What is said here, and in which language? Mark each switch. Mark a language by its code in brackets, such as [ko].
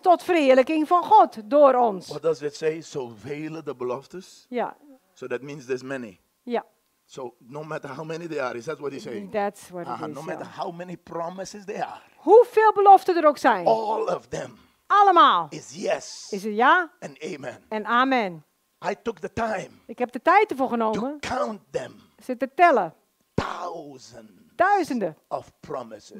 [nl] Tot verheerlijking van God door ons. [en] What does it say? [nl] Zoveel de beloftes? Ja. [en] So that means there's many. [nl] Ja. [en] So no matter how many there are, is that what he's saying? That's what he's saying. No matter how many promises there are. [nl] Hoeveel beloften er ook zijn. [en] All of them. [nl] Allemaal. [en] Is yes. [nl] Is het ja? [en] And amen. [nl] En amen. [en] I took the time. [nl] Ik heb de tijd ervoor genomen. [en] To count them. [nl] Ze te tellen. [en] Thousands. [nl] Duizenden. [en] Of promises.